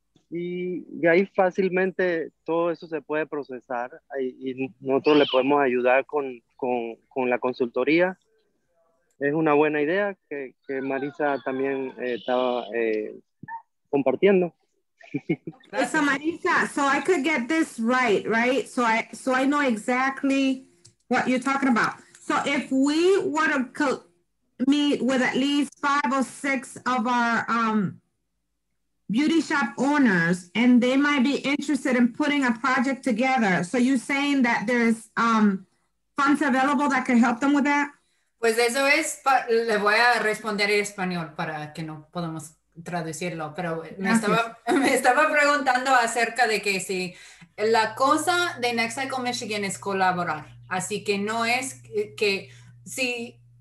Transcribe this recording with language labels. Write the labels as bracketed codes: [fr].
[es] Y de ahí fácilmente todo eso se puede procesar y nosotros le podemos ayudar con la consultoría. Es una buena idea que Marisa también estaba compartiendo. [en] So Marisa, so I could get this right? So I know exactly what you're talking about. So if we were to meet with at least 5 or 6 of our beauty shop owners, and they might be interested in putting a project together. So you're saying that there's funds available that could help them with that? [es] Pues eso es, le voy a responder en español para que no podamos traducirlo, pero me estaba preguntando acerca de que si la cosa de Next Cycle Michigan es colaborar, así que no es que si